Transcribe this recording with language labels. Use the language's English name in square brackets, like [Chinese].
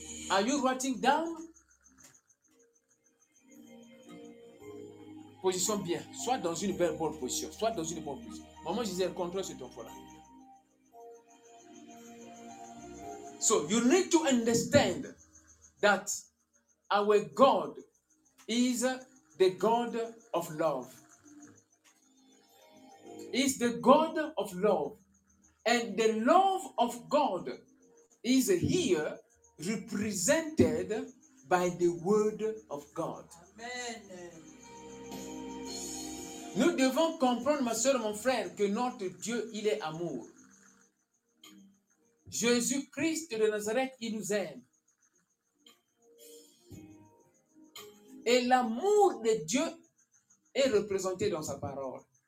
[English] Are you writing down? [French] Position bien. Soit dans une bonne position. Soit dans une bonne position. Maman, je disais, contrôle cet enfant-là. [English] So, you need to understand that our God is the God of love. He's the God of love. And the love of God is here represented by the word of God. Amen. [French] Nous devons comprendre, ma soeur, mon frère, que notre Dieu, il est amour. Jésus-Christ de Nazareth, il nous aime. Et l'amour de Dieu est représenté dans sa parole.